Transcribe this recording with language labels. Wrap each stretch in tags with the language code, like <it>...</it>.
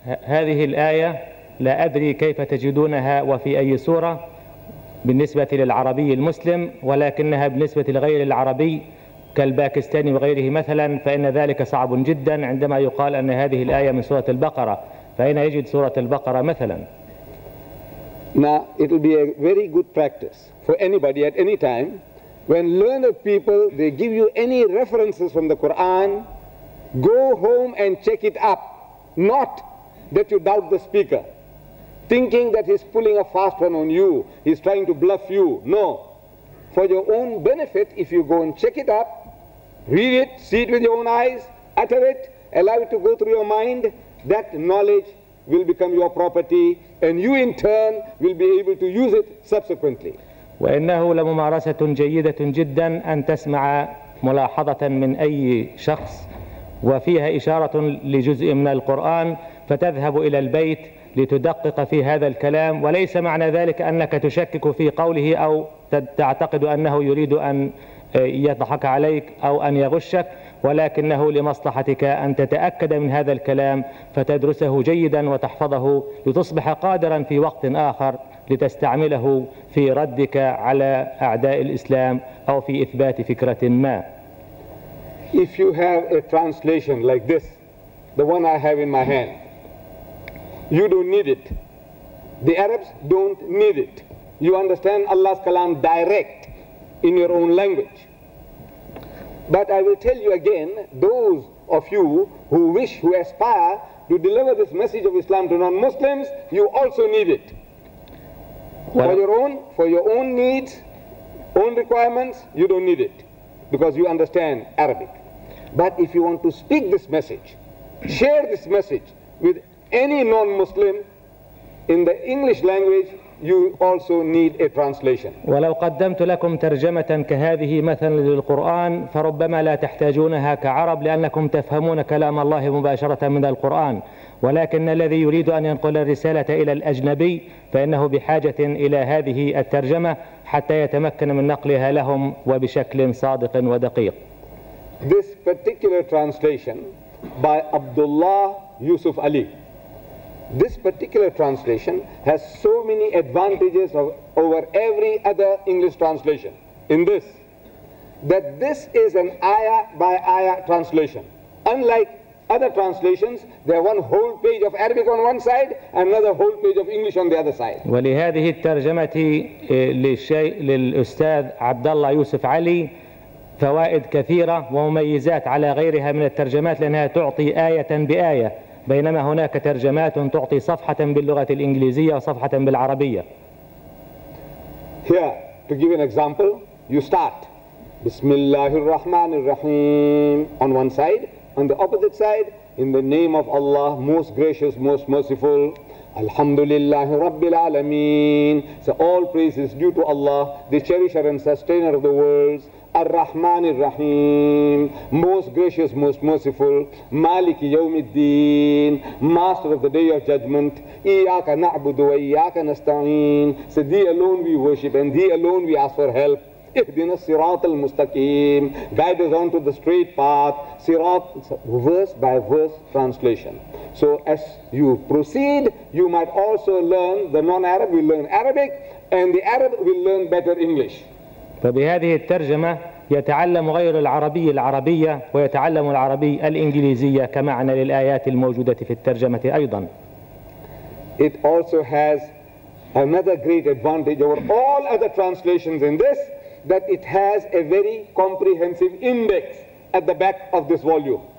<ar>هذه الآية لا أدري كيف تجدونها وفي أي سورة بالنسبة للعربي المسلم، ولكنها بالنسبة لغير العربي كالباكستاني وغيره مثلا فإن ذلك صعب جدا عندما يقال أن هذه الآية من سورة البقرة، فأين يجد سورة البقرة مثلا؟</ar> <en>Now it will be a very good practice for anybody at any time when learned people they give you any references from the Quran, go home and check it up, not that you doubt the speaker thinking that he's pulling a fast one on you, he's trying to bluff you. No. For your own benefit, if you go and check it up, read it, see it with your own eyes, utter it, allow it to go through your mind, that knowledge will become your property and you in turn will be able to use it subsequently.</en> <ar>وإنه لممارسة جيدة جدا أن تسمع ملاحظة من أي شخص وفيها إشارة لجزء من القرآن فتذهب إلى البيت لتدقق في هذا الكلام، وليس معنى ذلك أنك تشكك في قوله أو تعتقد أنه يريد أن يضحك عليك أو أن يغشك، ولكنه لمصلحتك أن تتأكد من هذا الكلام فتدرسه جيدا وتحفظه لتصبح قادرا في وقت آخر لتستعمله في ردك على أعداء الإسلام أو في إثبات فكرة ما.</ar> <en>If you have a translation like this, the one I have in my hand, you don't need it. The Arabs don't need it. You understand Allah's Kalam direct in your own language. But I will tell you again, those of you who wish, who aspire to deliver this message of Islam to non-Muslims, you also need it. For your own, needs, own requirements, you don't need it because you understand Arabic. But if you want to speak this message, share this message with any non-Muslim in the English language, you also need a translation.</en> <ar>ولو قدمت لكم ترجمة كهذه مثلا للقرآن فربما لا تحتاجونها كعرب لأنكم تفهمون كلام الله مباشرة من القرآن، ولكن الذي يريد أن ينقل الرسالة إلى الأجنبي فإنه بحاجة إلى هذه الترجمة حتى يتمكن من نقلها لهم وبشكل صادق ودقيق.</ar> <en>This particular translation by Abdullah Yusuf Ali. This particular translation has so many advantages over every other English translation in this, that this is an ayah by ayah translation. Unlike other translations, there are one whole page of Arabic on one side, another whole page of English on the other side.</en> <ar>ولهذه الترجمة للأستاذ عبد الله يوسف علي فوائد كثيرة ومميزات على غيرها من الترجمات لأنها تعطي آية بآية، بينما هناك ترجمات تعطي صفحة باللغة الإنجليزية وصفحة بالعربية.</ar> <en>Here, to give an example, you start</en> <ar>بسم الله الرحمن الرحيم</ar> <en>on one side, on the opposite side, in the name of Allah, most gracious, most merciful,</en> <ar>الحمد لله رب العالمين.</ar> <en>So all praise is due to Allah, the cherisher and sustainer of the worlds.</en> <ar>الرحمن الرحيم,</ar> <en>most gracious, most merciful,</en> <ar>مالك يوم الدين,</ar> <en>master of the day of judgment,</en> <ar>إياك نعبد وإياك نستعين,</ar> <en>so thee alone we worship and thee alone we ask for help,</en> <ar>اهدنا الصراط المستقيم,</ar> <en>guide us on to the straight path, صراط, verse by verse translation. So as you proceed, you might also learn, the non-Arab will learn Arabic and the Arab will learn better English.</en> <ar>فبهذه الترجمة يتعلم غير العربي العربية ويتعلم العربي الإنجليزية كمعنى للآيات الموجودة في الترجمة أيضا.</ar> <en>It also has another great advantage over all other translations in this, that it has a very comprehensive index at the back of this volume.</en>